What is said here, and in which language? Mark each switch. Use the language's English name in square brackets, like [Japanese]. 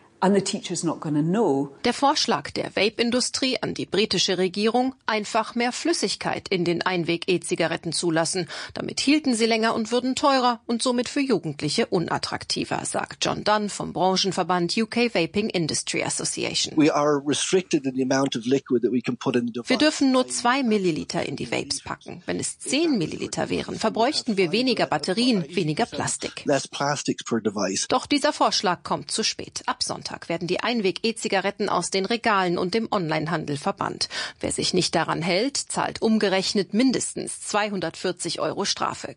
[English] And the teacher's not gonna know. [German] Der Vorschlag der Vape-Industrie an die britische Regierung, einfach mehr Flüssigkeit in den Einweg-E-Zigaretten zulassen. Damit hielten sie länger und würden teurer und somit für Jugendliche unattraktiver, sagt John Dunn vom Branchenverband UK Vaping Industry Association. [English] We are restricted in the amount of liquid that we can put in the device. [German] Wir dürfen nur 2 Milliliter in die Vapes packen. Wenn es 10 Milliliter wären, verbräuchten wir weniger Batterien, weniger Plastik. [English] Less plastics per device. [German] Doch dieser Vorschlag kommt zu spät. Ab Sonntag werden die Einweg-E-Zigaretten aus den Regalen und dem Onlinehandel verbannt. Wer sich nicht daran hält, zahlt umgerechnet mindestens 240 Euro Strafe.